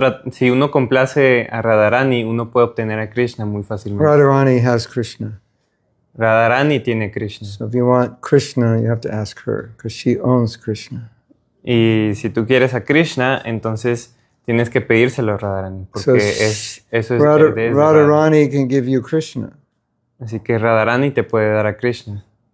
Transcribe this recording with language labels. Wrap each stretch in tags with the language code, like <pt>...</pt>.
<es>Si uno complace a Radharani, uno puede obtener a Krishna muy fácilmente.</es> <en>Radharani has Krishna.</en> <es>Radharani tiene Krishna.</es> <en>So if you want Krishna, you have to ask her, because she owns Krishna.</en> <es>Y si tú quieres a Krishna, entonces tienes que pedírselo a Radharani, porque</es> <en>Radharani can give you Krishna.</en> <es>Así que Radharani te puede dar a Krishna.</es>